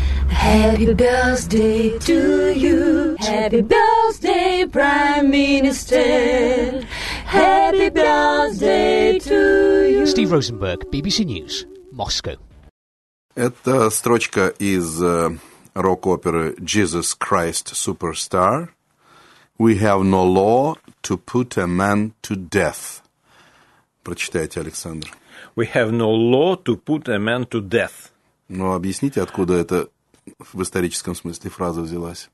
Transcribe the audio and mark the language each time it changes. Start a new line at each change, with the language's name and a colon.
English: Happy birthday to you. Happy birthday, Prime Minister. Happy birthday to you. Steve Rosenberg, BBC News, Moscow.
Russian: Это строчка из рок-оперы Jesus Christ Superstar.
English: We have no law to put a man to death.
Russian: Прочитайте, Александр.
English: We have no law to put a man to death.
Russian: Ну, объясните, откуда эта в историческом смысле фраза взялась?